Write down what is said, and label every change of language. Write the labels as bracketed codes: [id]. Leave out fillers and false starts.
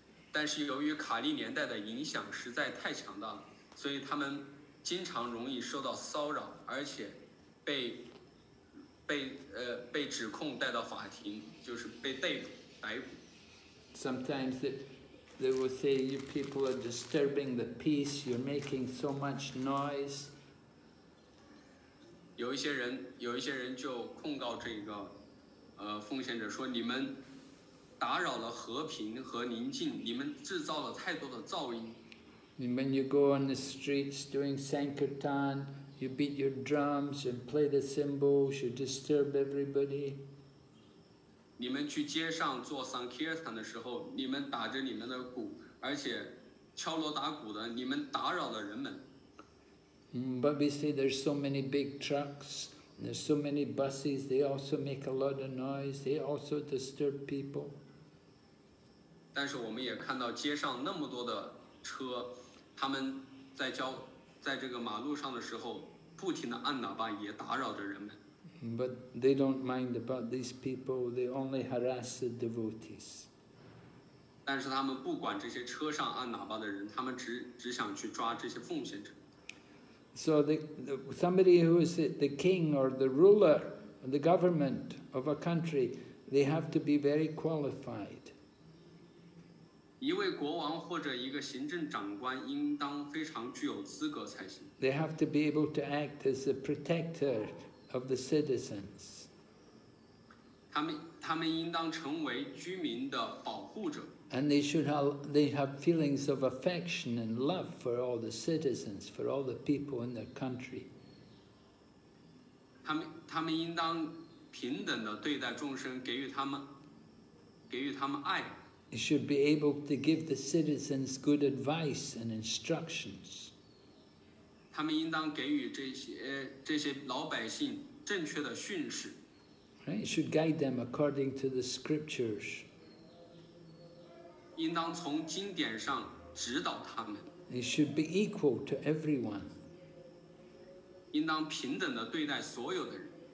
[zh] 但是由于卡利年代的影响实在太强大了，所以他们经常容易受到骚扰，而且被指控带到法庭，就是被逮捕逮捕。 [en] Sometimes they will say, "You people are disturbing the peace. You're making so much noise." [zh] 有一些人就控告这个奉献者说，你们打扰了和平和宁静，你们制造了太多的噪音。 [en] And when you go on the streets doing sankirtan, you beat your drums and play the cymbals, you disturb everybody. [zh] 你们去街上做 sankirtan 的时候，你们打着你们的鼓，而且敲锣打鼓的，你们打扰了人们。 [en] But we see there's so many big trucks, there's so many buses, they also make a lot of noise, they also disturb people. [zh] 但是我们也看到街上那么多的车，他们在这个马路上的时候不停地按喇叭，也打扰着人们。 [en] But they don't mind about these people, they only harass the devotees. [zh] 但是他们不管这些车上按喇叭的人，他们只想去抓这些奉献者。 [en] So somebody who is the king or the ruler or the government of a country, they have to be very qualified. [zh] 一位国王或者一个行政长官应当非常具有资格才行。 [en] They have to be able to act as a protector of the citizens. [zh] 他们应当成为居民的保护者。 [en] And they should have feelings of affection and love for all the citizens, for all the people in their country. [zh] 他们应当平等地对待众生，给予他们爱。 [en] They should be able to give the citizens good advice and instructions. [zh] 他们应当给予这些老百姓正确的训示。 [en] Right? It should guide them according to the scriptures. [zh] 应当从经典上指导他们。 [en] It should be equal to everyone. [zh] 应当平等地对待所有的人。